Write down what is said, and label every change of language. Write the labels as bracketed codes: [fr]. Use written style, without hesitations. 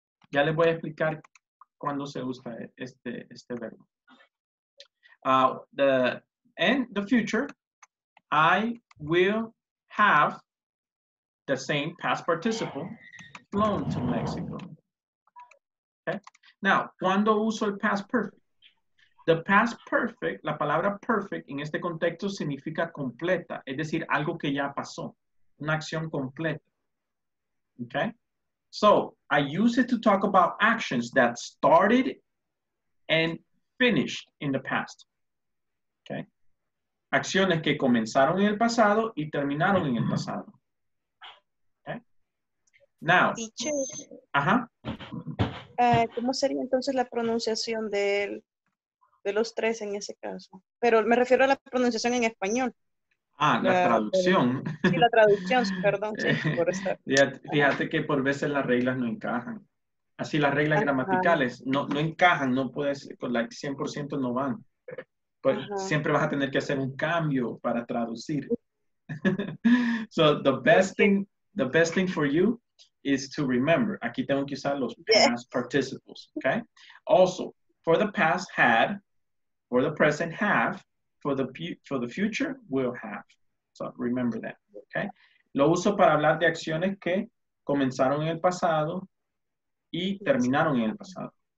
[es] Ya les voy a explicar cuando se usa este verbo. [en] The future, I will have the same past participle, flown to Mexico. Okay. Now, [es] ¿cuándo uso el past perfect? The past perfect, la palabra perfect en este contexto significa completa, es decir, algo que ya pasó, una acción completa. Okay. [en] So, I use it to talk about actions that started and finished in the past. Okay. [es] Acciones que comenzaron en el pasado y terminaron en el pasado. [en] Okay. Now. Teacher. [es] Ajá. ¿Cómo sería entonces la pronunciación de los tres en ese caso? Pero me refiero a la pronunciación en español. Ah, la traducción. Sí, la traducción, perdón. Sí, por estar. Fíjate que por veces las reglas no encajan. Así las reglas gramaticales no encajan, no puedes, con la 100% no van. But siempre vas a tener que hacer un cambio para traducir. [en] So the best thing for you is to remember. [es] Aquí tengo que usar los past participles, okay? [en] Also, for the past had, for the present have, for the future will have. So remember that, okay? [es] Lo uso para hablar de acciones que comenzaron en el pasado y terminaron en el pasado.